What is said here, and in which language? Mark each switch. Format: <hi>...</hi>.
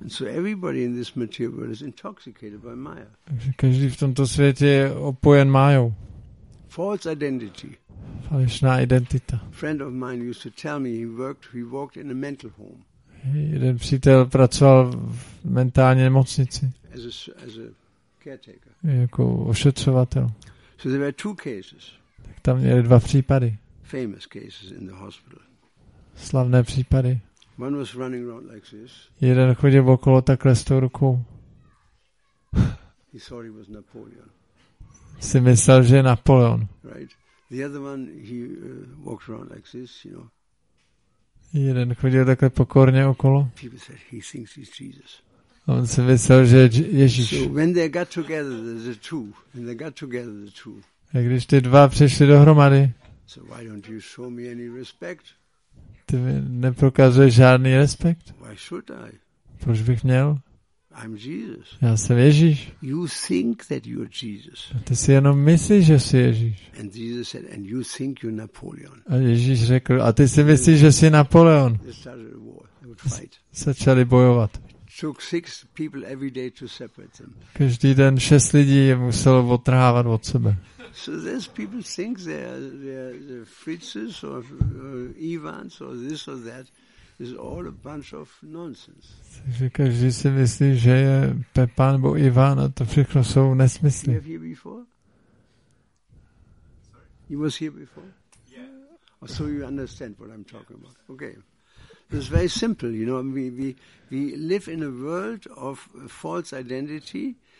<en>So everybody in this material world is intoxicated by Maya.</en> <cs>Každý v tomto světě je opojen Mayou.</cs> <en>False identity.</en> <cs>Falešná identita.</cs> <en>Friend of mine used to tell me he walked in a mental home.</en> <cs>Jeden přítel pracoval v mentální nemocnici.</cs> <en>As a caretaker.</en> <cs>Jako ošetřovatel.</cs> <en>So there were two cases.</en> <cs>Tak tam měli dva případy.</cs> <en>Famous cases in the hospital.</en> <cs>Slavné případy.</cs> <en>One was running around like this.</en> <cs>Jeden chodil okolo takhle s tou rukou.</cs> <en>He thought he was Napoleon.</en> <cs>Si myslel, že je Napoleon.</cs> <en>Right. The other one, he walked around like this, you know.</en> <cs>Jeden chodil takhle pokorně okolo.</cs> <en>People said he thinks he's Jesus.</en> <cs>On si myslel, že je Ježíš.</cs> <en>So when they got together, the two, when they got together, the two.</en> <cs>A když ty dva přišli dohromady.</cs> <en>So why don't you show me any respect?</en> <cs>Ty neprokazuješ žádný respekt?</cs> <en>Why should I?</en> <cs>Proč bych měl?</cs> <en>I'm Jesus.</en> <cs>Já jsem Ježíš.</cs> <en>You think that you're Jesus.</en> <cs>A ty si jenom myslíš, že jsi Ježíš.</cs> <en>And Jesus said, and you think you're Napoleon.</en> <cs>A Ježíš řekl, a ty si myslíš, že jsi Napoleon.</cs> <en>They started a war. They would fight.</en> <cs>Začali bojovat.</cs> <en>Took six people every day to separate them.</en> <cs>Každý den šest lidí je muselo odtrhávat od sebe.</cs> <en>So these people think they're Fritzes or Ivans or this or that is all a bunch of nonsense.</en> <cs>Takže každý si myslí, že je Pepa nebo Ivan, a to všechno jsou nesmysly.</cs> <en>You were here before? Sorry. You was here before? Yeah. So you understand what I'm talking about. Okay. It's very simple, you know. We live in a world of false identity.</en>